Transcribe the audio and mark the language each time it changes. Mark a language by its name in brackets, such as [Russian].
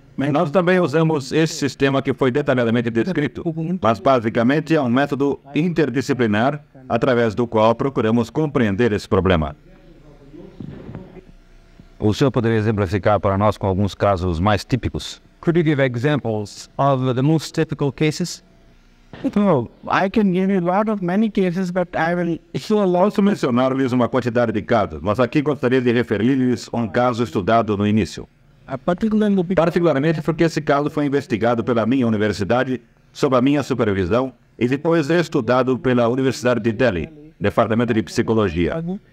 [Portuguese] Nós também usamos esse sistema que foi detalhadamente descrito, mas basicamente é um método interdisciplinar através do qual procuramos compreender esse problema. O senhor poderia exemplificar para nós com alguns casos mais típicos? [English] Could you give examples of the most typical cases? I can give you a lot of many cases, but I will. [Portuguese] Eu posso mencionar-lhes uma quantidade de casos, mas aqui gostaria de referir-lhes a um caso estudado no início. Particularmente porque esse caso foi investigado pela minha universidade, sob a minha supervisão, e depois estudado pela Universidade de Delhi, Departamento de Psicologia.